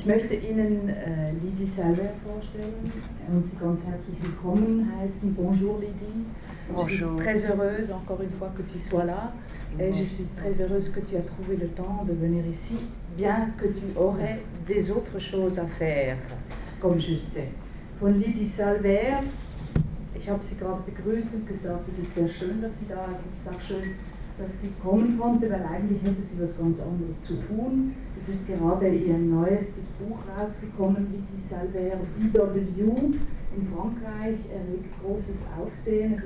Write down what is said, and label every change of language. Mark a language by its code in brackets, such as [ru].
[de] Ich möchte Ihnen Lydie Salver vorstellen und Sie ganz herzlich willkommen heißen. [fr] Bonjour Lydie. Bonjour. Je suis très heureuse encore une fois que tu sois là. Et je suis très heureuse que tu aies trouvé le temps de venir ici, bien que tu aurais des autres choses à faire, comme je sais. [de] Von Lydie Salver, ich habe sie gerade begrüßt und gesagt, es ist sehr schön, dass sie da ist. Es ist auch schön, dass sie kommen konnte, weil eigentlich hätte sie was ganz anderes zu tun. Es ist gerade ihr neuestes Buch rausgekommen, Lydie Salver, BW in Frankreich, erregt großes Aufsehen.